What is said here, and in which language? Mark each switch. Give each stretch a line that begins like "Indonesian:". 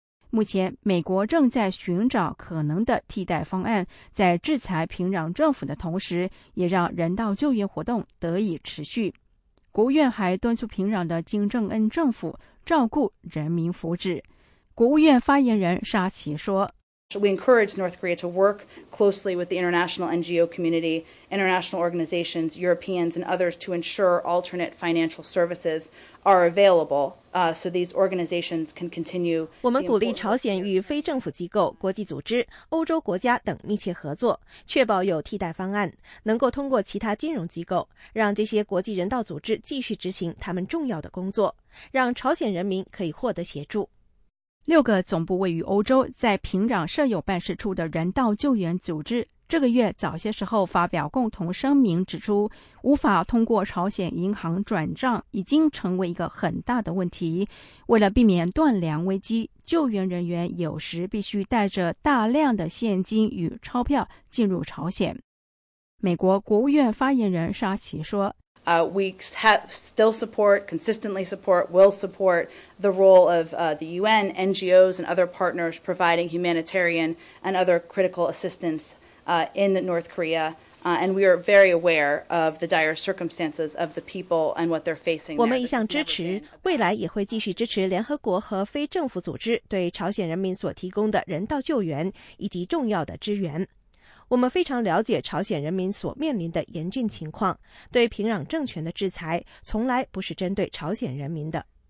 Chinese: 目前，美国正在寻找可能的替代方案，在制裁平壤政府的同时，也让人道救援活动得以持续。国务院还敦促平壤的金正恩政府照顾人民福祉。国务院发言人沙奇说，
English: We encourage North Korea to work closely with the international NGO community, international organizations, Europeans and others to ensure alternate financial services are available, so these organizations can continue.
Chinese: 我们鼓励朝鲜与非政府机构、国际组织、欧洲国家等密切合作，确保有替代方案，能够通过其他金融机构，让这些国际人道组织继续执行他们重要的工作，让�朝鲜人民可以获得协助。 6个总部位于欧洲，在平壤设有办事处的人道救援组织，这个月早些时候发表共同声明，指出无法通过朝鲜银行转账已经成为一个很大的问题。为了避免断粮危机，救援人员有时必须带着大量的现金与钞票进入朝鲜。美国国务院发言人沙奇说，
English: We have still support, consistently support, will support the role of the UN, NGOs and other partners providing humanitarian and other critical assistance. In North Korea, and we are very aware of the dire circumstances of the people and what they're facing.
Chinese: 我们一向支持，未来也会继续支持联合国和非政府组织对朝鲜人民所提供的人道救援以及重要的支援。我们非常了解朝鲜人民所面临的严峻情况，对平壤政权的制裁从来不是针对朝鲜人民的。